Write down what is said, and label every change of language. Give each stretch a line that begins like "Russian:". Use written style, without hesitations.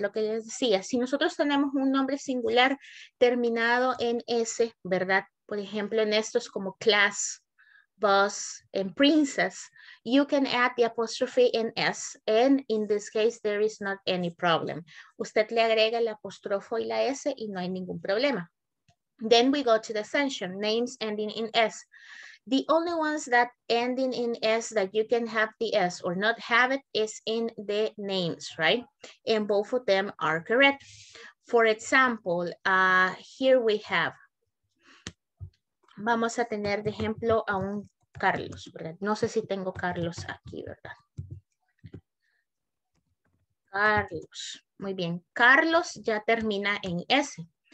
Spanish: Lo que les decía, si nosotros tenemos un nombre singular terminado en S, ¿verdad? Por ejemplo, en estos como
English: class, bus, and princess, you can add the apostrophe in S, and in this case there is not any problem.
Spanish: Usted le agrega el apóstrofo y la S y no hay ningún problema.
English: Then we go to the sanction, names ending in S. The only ones that ending in S that you can have the S or not have it is in the names, right? And both of them are correct. For example, here we have,
Spanish: vamos a tener de ejemplo a un Carlos, ¿verdad? No sé si tengo Carlos aquí, ¿verdad? Carlos, muy bien. Carlos ya termina en S.